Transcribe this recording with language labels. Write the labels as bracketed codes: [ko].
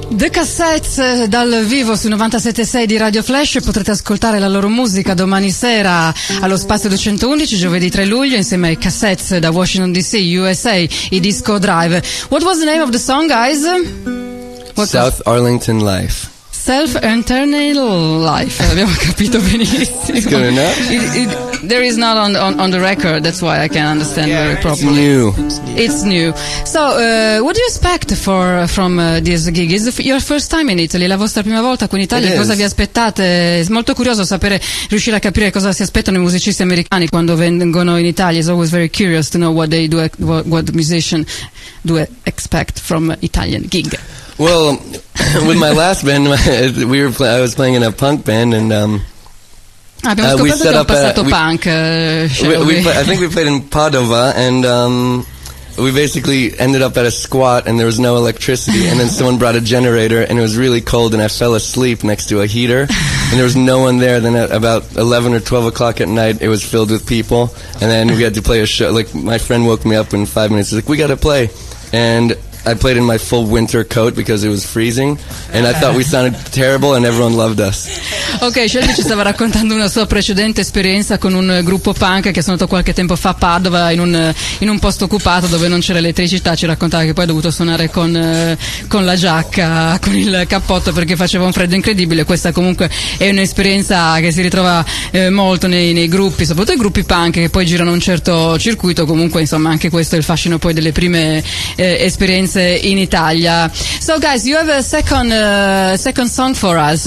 [it] Cassettes dal vivo su 97.6 di Radio Flash, potrete ascoltare la loro musica domani sera allo Spazio 211, giovedì 3 luglio, insieme ai Cassettes da Washington DC, USA, i Disco Drive. [en] What was the name of the song, guys? Arlington Life. Self-internal life. [it] Abbiamo capito benissimo. [en] It's good enough. There is not on the record, that's why I can understand very properly. It's new. It's new. So, what do you expect from this gig? Is it your first time in Italy? [it] La vostra prima volta qui in Italia? [en] It [it] cosa [en] is. [it] Vi aspettate? Molto curioso sapere, riuscire a capire cosa si aspettano i musicisti americani quando vengono in Italia. [en] It's always very curious to know what they do, what musician do expect from Italian gig. Well, with my last band, I was playing in a punk band, and we set up punk. I think we played in Padova, and we basically ended up at a squat, and there was no electricity. And then someone brought a generator, and it was really cold, and I fell asleep next to a heater, and there was no one there. Then at about 11 or 12 o'clock at night, it was filled with people, and then we had to play a show. Like, my friend woke me up in 5 minutes. He's like, "We got to play," and I played in my full winter coat because it was freezing, and I thought we sounded terrible and everyone loved us. [it] Ok, Shelby ci stava raccontando una sua precedente esperienza con un gruppo punk che è stato qualche tempo fa a Padova, in un posto occupato dove non c'era elettricità. Ci raccontava che poi ha dovuto suonare con la giacca, con il cappotto, perché faceva un freddo incredibile. Questa comunque è un'esperienza che si ritrova molto nei gruppi, soprattutto i gruppi punk che poi girano un certo circuito. Comunque, insomma, anche questo è il fascino poi delle prime esperienze [en] place in Italia. So, guys, you have a second song for us.